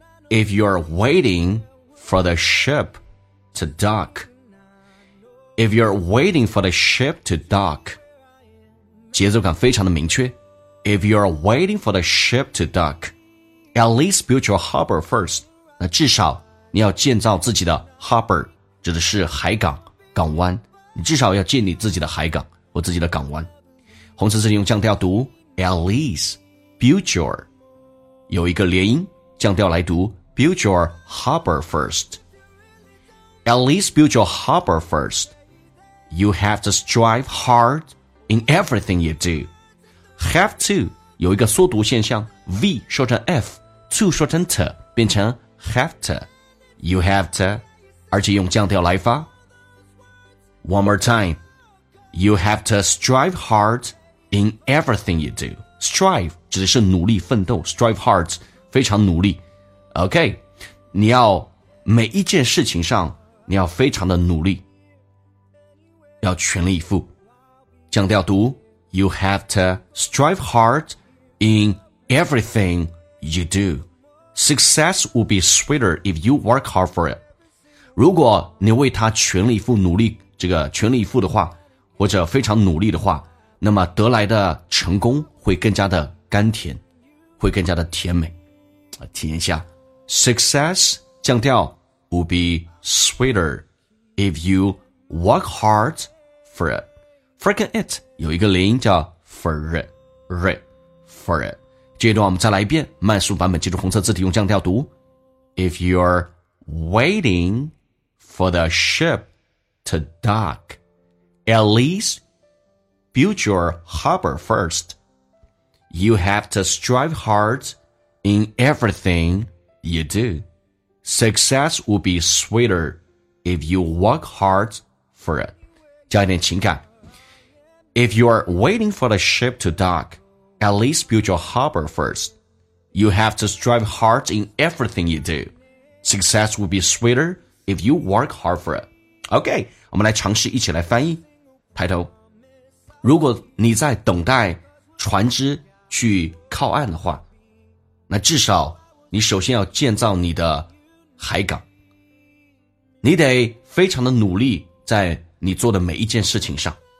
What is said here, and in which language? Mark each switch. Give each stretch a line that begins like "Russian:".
English: If you're waiting for the ship to dock， If you're waiting for the ship to dock，
Chinese: 节奏感非常的明确。
English: If you're waiting for the ship to dock, at least build your harbor first.
Chinese: 那至少你要建造自己的 harbor， 指的是海港港湾，你至少要建立自己的海港或自己的港湾。红色字体用降调读，
English: at least build your，
Chinese: 有一个连音降调来读，
English: build your harbor first， at least build your harbor first. You have to strive hardIn everything you do.
Chinese: Have to 有一个缩读现象， V 说成 F， To 说成 T 变成 Have to.
English: You have to，
Chinese: 而且用降调来发。
English: One more time. You have to strive hard in everything you do.
Chinese: Strive 指的是努力奋斗， strive hard 非常努力。 OK， 你要每一件事情上你要非常的努力，要全力以赴。强调读，
English: You have to strive hard in everything you do. Success will be sweeter if you work hard for it.
Chinese: 如果你为他全力以赴努力，这个全力以赴的话，或者非常努力的话，那么得来的成功会更加的甘甜，会更加的甜美。体验一下，
English: Success
Chinese: 强调
English: will be sweeter if you work hard for it. Freaking it
Chinese: 有一个连音叫
English: for it, right, for it.
Chinese: 这一段我们再来一遍，慢速版本，记住红色字体用降调读。
English: If you're waiting for the ship to dock, at least build your harbor first. You have to strive hard in everything you do. Success will be sweeter if you work hard for it.
Chinese: 加一点情感。
English: If you're waiting for the ship to dock, at least build your harbor first. You have to strive hard in everything you do. Success will be sweeter if you work hard for it.
Chinese: OK, 我们来尝试一起来翻译。抬头，如果你在等待船只去靠岸的话，那至少你首先要建造你的海港。你得非常的努力在你做的每一件事情上。